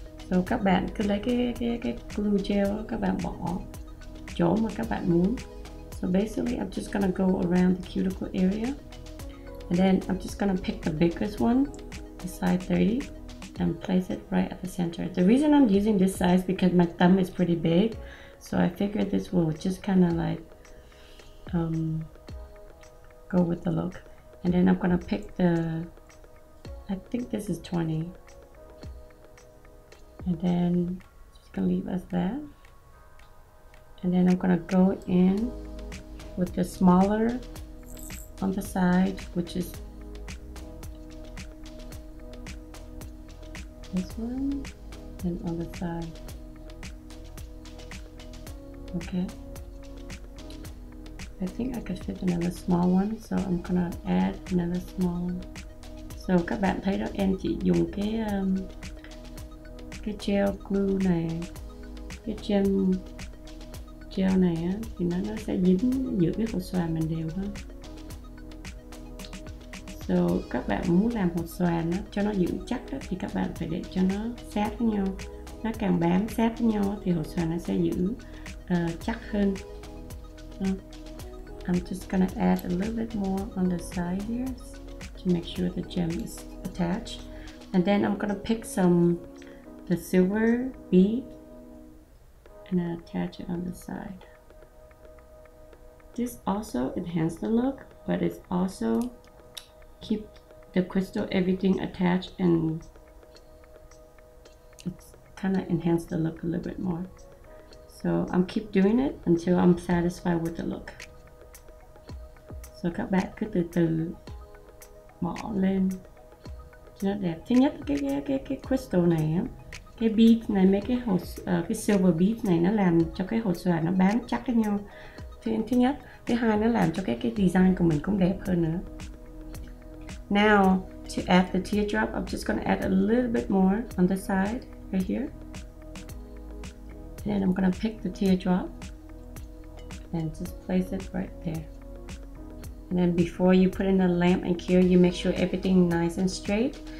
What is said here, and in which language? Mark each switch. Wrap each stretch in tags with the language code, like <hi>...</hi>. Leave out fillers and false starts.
<vi>So các bạn cứ lấy cái glue gel các bạn bỏ chỗ mà các bạn muốn.</vi> <en>So basically, I'm just gonna go around the cuticle area. And then I'm just gonna pick the biggest one, the size 30, and place it right at the center. The reason I'm using this size because my thumb is pretty big. So I figured this will just kind of like go with the look. And then I'm gonna pick the, I think this is 20. And then just gonna leave as that. And then I'm gonna go in with the smaller on the side, which is this one, and on the side. Okay. I think I could fit another small one, so I'm gonna add another small one.</en> <vi>So các bạn thấy đó, em chỉ dùng cái gel glue này, cái gel này á, thì nó sẽ dính giữa cái hộp xoàn mình đều hơn. So các bạn muốn làm hộp xoàn á, cho nó giữ chắc đó, thì các bạn phải để cho nó sát với nhau. Nó càng bám sát với nhau thì hộp xoàn nó sẽ giữ chắc hơn.</vi> <en>I'm just gonna add a little bit more on the side here to make sure the gem is attached. And then I'm gonna pick some the silver bead and attach it on the side. This also enhance the look, but it's also keep the crystal everything attached, and it's kind of enhance the look a little bit more. So I'm keep doing it until I'm satisfied with the look.</en> <vi>So các bạn cứ từ từ bỏ lên cho nó đẹp. Thứ nhất cái crystal này á, cái bead này, mấy cái hộp cái silver bead này nó làm cho cái hộp xoàn nó bám chắc với nhau. Thứ nhất, thứ hai nó làm cho cái design của mình cũng đẹp hơn nữa.</vi> <en>Now to add the teardrop, I'm just gonna add a little bit more on the side right here. And then I'm gonna pick the teardrop and just place it right there. And then before you put in the lamp and cure, you make sure everything nice and straight.</en>